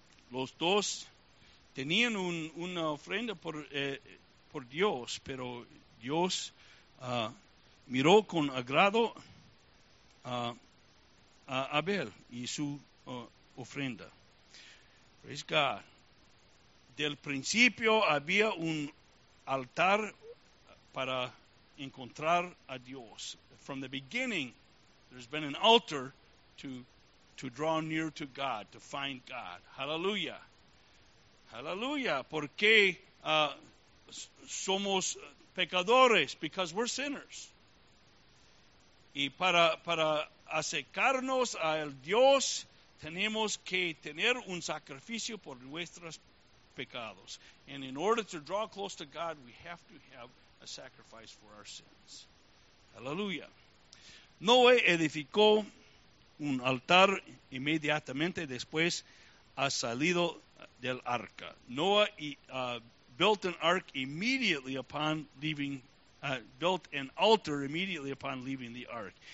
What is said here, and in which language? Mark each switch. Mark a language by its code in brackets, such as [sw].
[es] Los dos tenían una ofrenda por Dios, pero Dios miró con agrado a Abel y su ofrenda. [en] Praise God. [es] Del principio había un altar para encontrar a Dios. [en] From the beginning, there's been an altar to draw near to God, to find God. [es] Hallelujah. Hallelujah. Porque somos pecadores, [en] because we're sinners. [es] Y para acercarnos al Dios, tenemos que tener un sacrificio por nuestros pecados. [en] And in order to draw close to God, we have to have a sacrifice for our sins. Hallelujah. [es] Noé edificó un altar inmediatamente después ha salido del arca. [en] Noah built an ark immediately upon leaving built an altar immediately upon leaving the ark.